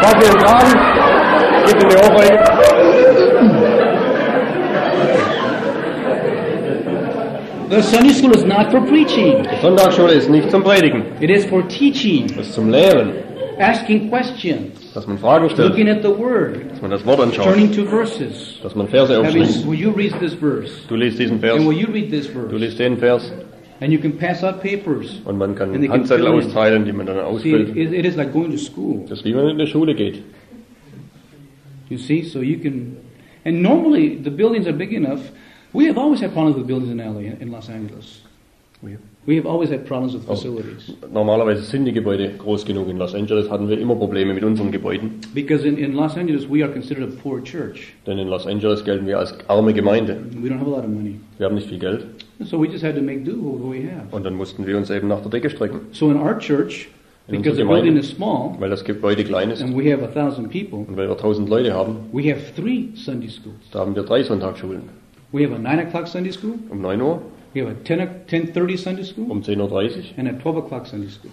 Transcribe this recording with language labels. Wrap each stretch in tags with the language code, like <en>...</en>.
<de>Packt ihn an, gibt ihm die</de> <en>The Sunday school is not for preaching.</en> <de>Die Sonntagsschule ist nicht zum Predigen.</de> <en>It is for teaching.</en> <de>Es ist zum Lehren.</de> <en>Asking questions.</en> <de>Dass man Fragen stellt.</de> <en>Looking at the word.</en> <de>Dass man das Wort anschaut.</de> <en>Turning to verses.</en> <de>Dass man Verse aufschlägt.</de> <en>Will you read this verse?</en> <de>Du liest diesen Vers.</de> <en>And will you read this verse?</en> <de>Du liest den Vers.</de> <en>And you can pass out papers.</en> <de>Und man kann Handzettel austeilen, die man dann ausfüllt.</de> <en>See, it is like going to school.</en> <de>Das ist wie wenn man in die Schule geht.</de> <en>You see, so you can, and normally the buildings are big enough. We have always had problems with buildings in LA, in Los Angeles. We have always had problems with facilities.</en> <de>Normalerweise sind die Gebäude groß genug. In Los Angeles hatten wir immer Probleme mit unseren Gebäuden.</de> <en>Because in Los Angeles we are considered a poor church.</en> <de>Denn in Los Angeles gelten wir als arme Gemeinde.</de> <en>We don't have a lot of money.</en> <de>Wir haben nicht viel Geld.</de> <en>So we just had to make do with what we have.</en> <de>Und dann mussten wir uns eben nach der Decke strecken.</de> <en>So in our church, because the building is small,</en> <de>weil das Gebäude klein ist,</de> <en>and we have 1,000 people,</en> <de>und weil wir 1,000 Leute haben,</de> <en>we have 3 Sunday schools.</en> <de>Da haben wir 3 Sonntagsschulen.</de> <en>We have a 9 o'clock Sunday school.</en> <de>Um 9 Uhr.</de> <en>We have a 10:30 Sunday school.</en> <de>Um 10:30 Uhr.</de> <en>And a 12 o'clock Sunday school.</en>